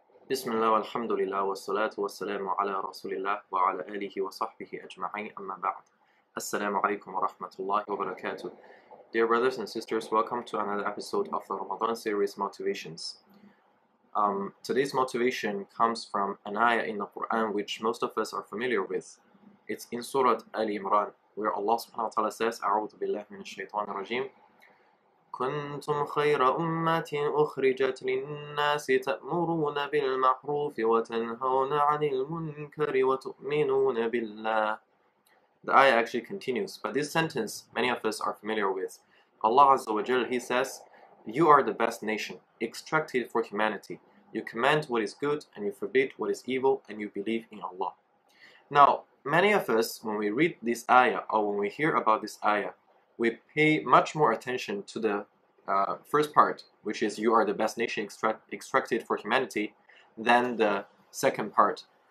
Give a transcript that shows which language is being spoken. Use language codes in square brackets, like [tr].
[ar] بسم الله والحمد لله والصلاة والسلام على رسول الله وعلى آله وصحبه أجمعين أما بعد السلام عليكم ورحمة الله وبركاته. [en] Dear brothers and sisters, welcome to another episode of the Ramadan series Motivations. Today's motivation comes from an ayah in the Quran which most of us are familiar with. It's in Surah Ali Imran, where Allah subhanahu wa ta'ala says, [ar] أعوذ بالله من الشيطان الرجيم. كنتم خير أمة أخرجت للناس تأمرون بالمعروف وتنهون عن المنكر وتؤمنون بالله. [en] The ayah actually continues, but this sentence many of us are familiar with. Allah Azza wa Jal, He says, you are the best nation, extracted for humanity. You command what is good and you forbid what is evil and you believe in Allah. Now, many of us, when we read this ayah or when we hear about this ayah, we pay much more attention to the first part, which is you are the best nation extracted for humanity, than the second part.